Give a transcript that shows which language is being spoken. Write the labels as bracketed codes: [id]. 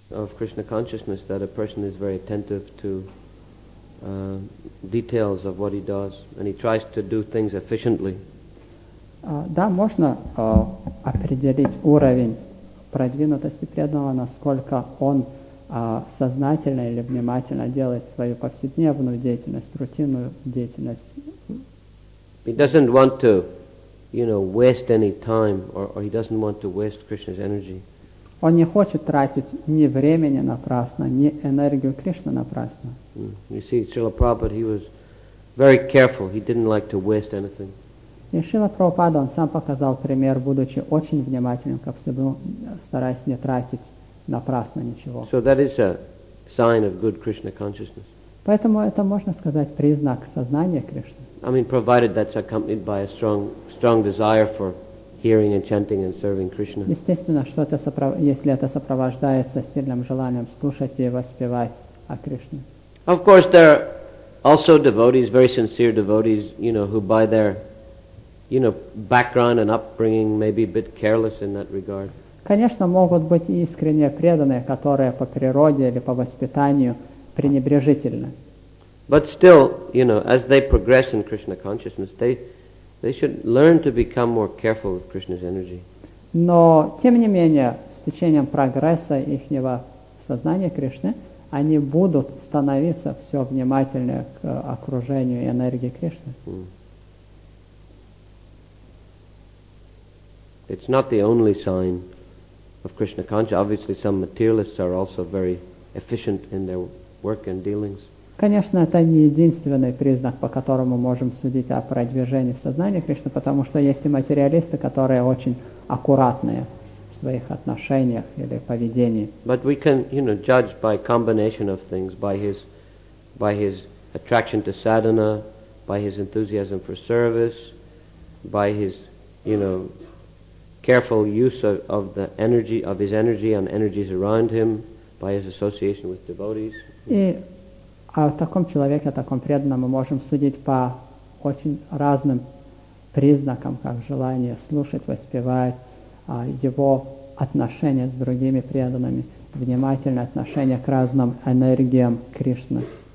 [en] Of Krishna consciousness, that a person is very attentive to details of what he does, and he tries to do things efficiently. [ru] Да, можно определить уровень продвинутости преданного, насколько он сознательно или внимательно делает свою повседневную деятельность, рутинную деятельность. [en] He doesn't want to, you know, waste any time, or he doesn't want to waste Krishna's energy. [ru] Он не хочет тратить ни времени напрасно, ни энергию Кришны напрасно. [en] You see, Srila Prabhupada, he was very careful. He didn't like to waste anything. [ru] И Шрила Прабхупада, он сам показал пример, будучи очень внимательным ко всему, стараясь не тратить напрасно ничего. [en] So that is a sign of good Krishna consciousness. [ru] Поэтому это, можно сказать, признак сознания Кришны. [en] I mean, provided that's accompanied by a strong desire for hearing and chanting and serving Krishna. [ru] Естественно, что это если это сопровождается сильным желанием слушать и воспевать о Кришне. [en] Of course, there are also devotees, very sincere devotees, you know, who by their, you know, background and upbringing may be a bit careless in that regard. [ru] Конечно, могут быть искренне преданные, которые по природе или по воспитанию пренебрежительны. [en] But still, you know, as they progress in Krishna consciousness, they should learn to become more careful with Krishna's energy. [ru] Но тем не менее, с течением прогресса ихнего сознания Кришны, они будут становиться все внимательнее к окружению и энергии Кришны. [en] It's not the only sign of Krishna consciousness. Obviously, some materialists are also very efficient in their work and dealings. [ru] Конечно, это не единственный признак, по которому можем судить о продвижении в сознании Кришны, потому что есть и материалисты, которые очень аккуратные в своих отношениях или поведении. [en] But we can, you know, judge by combination of things, by his attraction to sadhana, by his enthusiasm for service, by his, you know, careful use of the energy of his energy and energies around him by his association with devotees. [ru] И о таком человеке, о таком преданном мы можем судить по очень разным признакам, как желание слушать, воспевать, его отношения с другими преданными, внимательное отношение к разным энергиям Кришны.